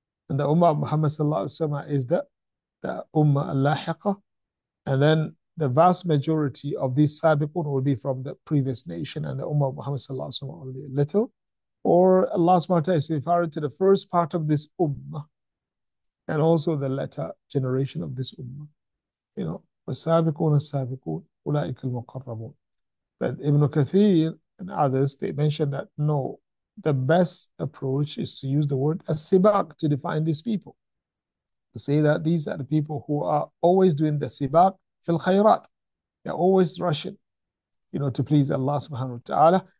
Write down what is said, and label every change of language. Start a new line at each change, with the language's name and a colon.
English: And the ummah of Muhammad sallallahu alayhi wa sallam is the ummah al-lahiqa. And then the vast majority of these sabiqun will be from the previous nation, and the ummah of Muhammad sallallahu alayhi wa sallam only a little. Or Allah subhanahu wa ta'ala is referring to the first part of this ummah, and also the latter generation of this ummah.
Arabic: You know, والسابقون السابقون أولئك المقربون.
English: But Ibn Kathir and others, they mentioned that no, the best approach is to use the word as-sibaq to define these people. To say that these are the people who are always doing the sibaq fil khayrat. They're always rushing, you know, to please Allah subhanahu wa ta'ala.